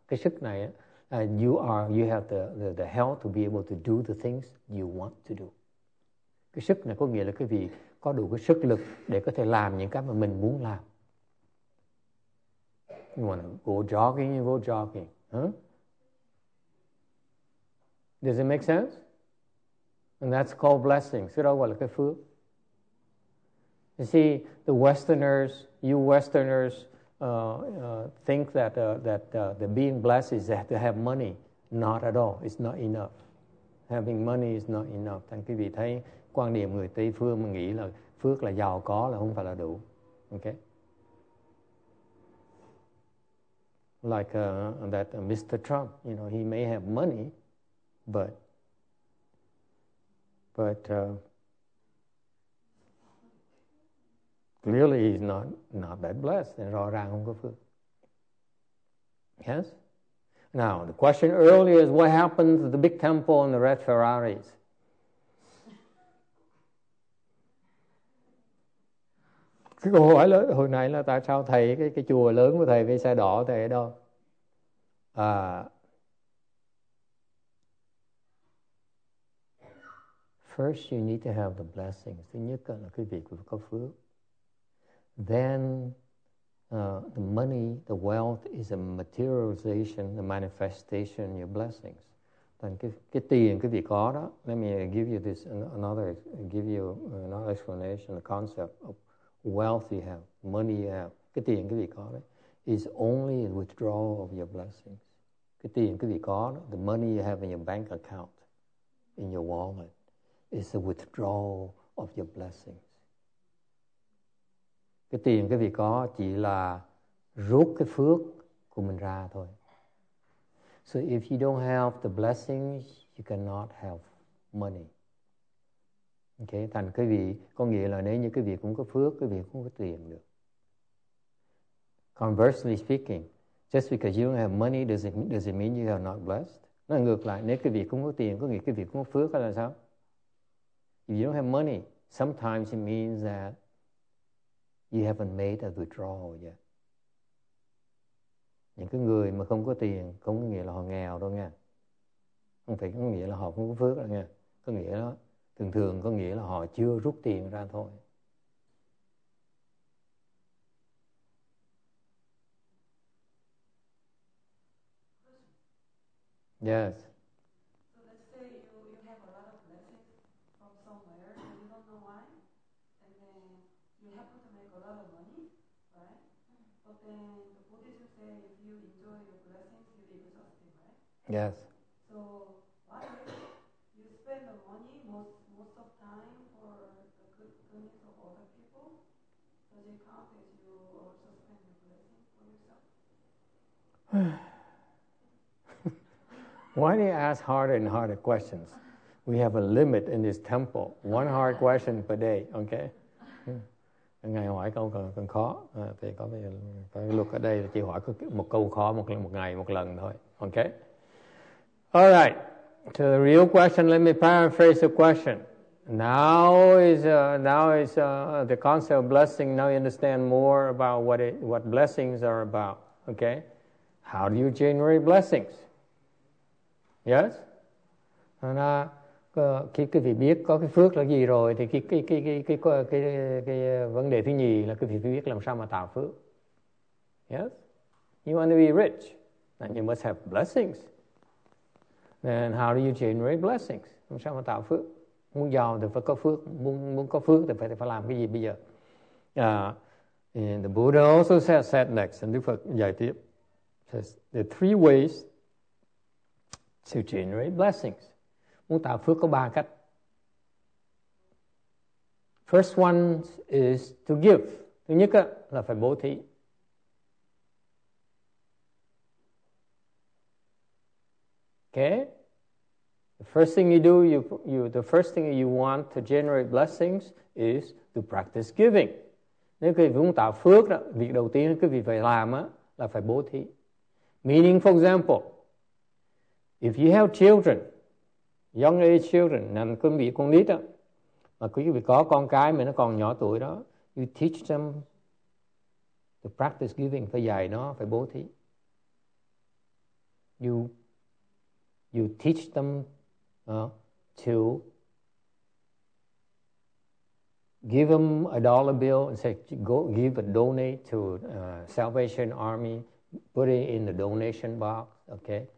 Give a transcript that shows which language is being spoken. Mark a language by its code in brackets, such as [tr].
[en] Kshiknaya, you have the health to be able to do the things you want to do. [vi] Cái sức này có nghĩa là quý vị có đủ cái sức lực để có thể làm những cái mà mình muốn làm. [en] You want to go jogging, you go jogging. Huh? Does it make sense? And that's called blessing. [vi] Sự đó gọi là cái phước. [en] You see, the Westerners, you Westerners, think that the being blessed is that to have money. Not at all. It's not enough. Having money is not enough. [vi] Thành quý vị thấy quan điểm người Tây phương mà nghĩ là phước là giàu có là không phải là đủ. [en] Okay. Like Mr. Trump, you know, he may have money, but clearly he's not that blessed. [vi] And rõ ràng không có phước. [en] Yes? Now, the question earlier is what happened to the big temple and the red Ferraris? [vi] Cái câu hỏi lớn hồi nãy là tại sao thầy cái chùa lớn của thầy với xe đỏ thầy ở đâu? [en] First you need to have the blessings. [vi] Thứ nhất là quý vị phải có phước. [en] Then the money, the wealth is a materialization, the manifestation of your blessings. [vi] Thành cái tiền quý vị có đó. [en] Let me give you this another, give you another explanation, the concept of wealth you have, money you have, [vi] cái tiền quý vị có đấy, [en] is only a withdrawal of your blessings. [vi] Cái tiền quý vị có đó, [en] the money you have in your bank account, in your wallet, is a withdrawal of your blessings. [vi] Cái tiền quý vị có chỉ là rút cái phước của mình ra thôi. [en] So if you don't have the blessings, you cannot have money. [vi] Okay, thành quý vị có nghĩa là nếu như quý vị cũng có phước, quý vị cũng có tiền được. [en] Conversely speaking, just because you don't have money, does it mean you are not blessed? [vi] Nói ngược lại, nếu quý vị cũng có tiền, có nghĩa quý vị cũng có phước hay là sao? [en] If you don't have money, sometimes it means that you haven't made a withdrawal yet. [vi] Những cái người mà không có tiền, không có nghĩa là họ nghèo đâu nha. Không phải có nghĩa là họ không có phước đâu nha. Có nghĩa đó. Thường thường có nghĩa là họ chưa rút tiền ra thôi. [en] Yes. So let's say you have a lot of blessings from somewhere and you don't know why. And then you happen to make a lot of money, right? But then the Buddhism say if you enjoy your blessings, you'll be exhausted, right? Yes. Why do you ask harder and harder questions? We have a limit in this temple. One hard question per day, okay? [vi] Ngày hỏi câu còn khó, thì có bây giờ look ở đây chỉ hỏi một câu khó một ngày một lần thôi, okay? [en] All right. To the real question, let me paraphrase the question. Now is the concept of blessing. Now you understand more about what blessings are about, okay? How do you generate blessings? Yes? [vi] And khi quý vị biết có cái phước là gì rồi thì cái vấn đề thứ nhì là quý vị phải biết làm sao mà tạo phước. [en] Yes? You want to be rich, then you must have blessings. Then how do you generate blessings? [vi] Làm sao mà tạo phước? Muốn giàu thì phải có phước, muốn có phước thì phải làm cái gì bây giờ? [en] And the Buddha also said next, and [vi] Đức Phật giải tiếp. [en] The three ways to generate blessings. [vi] Muốn tạo phước có ba cách. [en] First one is to give. [vi] Thứ nhất là phải bố thí. [en] Okay. The first thing you do, the first thing you want to generate blessings is to practice giving. [vi] Nếu quý vị muốn tạo phước đó, việc đầu tiên quý vị phải làm là phải bố thí. [en] Meaning, for example, if you have children, young age children, and [vi] quý vị con nít đó, mà quý vị có con cái mà nó còn nhỏ tuổi đó, [en] you teach them To practice giving [vi] phải dạy nó, phải bố thí. [en] You teach them to give them a dollar bill and say, go give a donate to Salvation Army, put it in the donation box, okay?